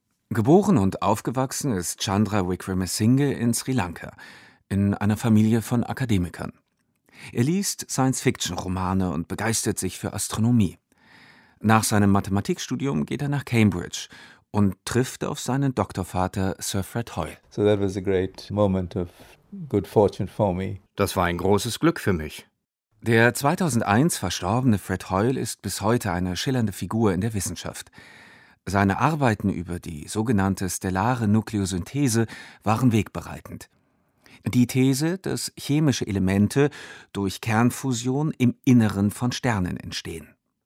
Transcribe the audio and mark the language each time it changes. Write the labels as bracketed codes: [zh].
[de] Geboren und aufgewachsen ist Chandra Wickramasinghe in Sri Lanka, in einer Familie von Akademikern. Er liest Science-Fiction-Romane und begeistert sich für Astronomie. Nach seinem Mathematikstudium geht er nach Cambridge, und trifft auf seinen Doktorvater Sir Fred Hoyle. [en] So that was a great moment of good fortune for me. [de] Das war ein großes Glück für mich. Der 2001 verstorbene Fred Hoyle ist bis heute eine schillernde Figur in der Wissenschaft. Seine Arbeiten über die sogenannte stellare Nukleosynthese waren wegbereitend. Die These, dass chemische Elemente durch Kernfusion im Inneren von Sternen entstehen.